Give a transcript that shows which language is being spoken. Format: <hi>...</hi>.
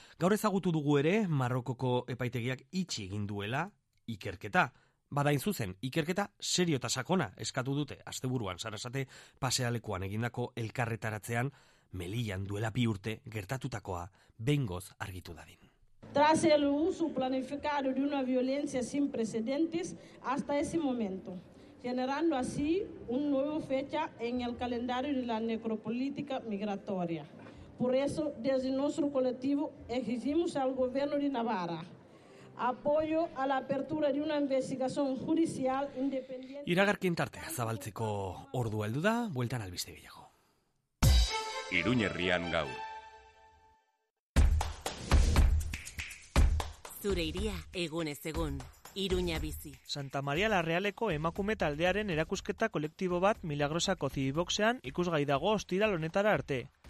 <eu>Gaur ezagutu dugu ere, Marrokoko epaitegiak itxi egin duela ikerketa. Badain zuzen, ikerketa serio eta sakona eskatu dute asteburuan Sarasate pasealekuan egindako elkarretaratzean Melillan duela bi urte gertatutakoa behingoz argitu dadin.</eu> <es>Tras el uso planificado de una violencia sin precedentes hasta ese momento, generando así un nuevo fecha en el calendario de la necropolítica migratoria. Por eso, desde nuestro colectivo exigimos al gobierno de Navarra apoyo a la apertura de una investigación judicial independiente.</es> <eu>Iragarkien tartea zabaltzeko ordua heldu da, bueltan albiste gehiago. Iruñerrian gaur. Zure iria egunez egun. Iruña bizi. Santa Maria la Realeko emakume taldearen erakusketa kolektibo bat Milagrosako Zibiboxean ikusgai dago ostiral honetara arte.</eu>